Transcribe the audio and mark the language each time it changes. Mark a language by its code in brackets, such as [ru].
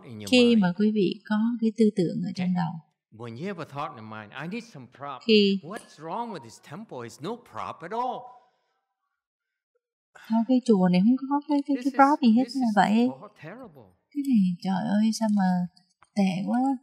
[vi] Khi mà quý vị có cái tư tưởng ở trong đầu, [en] when you have a thought in mind, I need some prop. [vi] Khi [en] what's wrong with this temple? It's no prop at all. [vi] Cái chùa này không có cái prop gì hết là vậy. Cái này trời ơi sao mà tệ quá.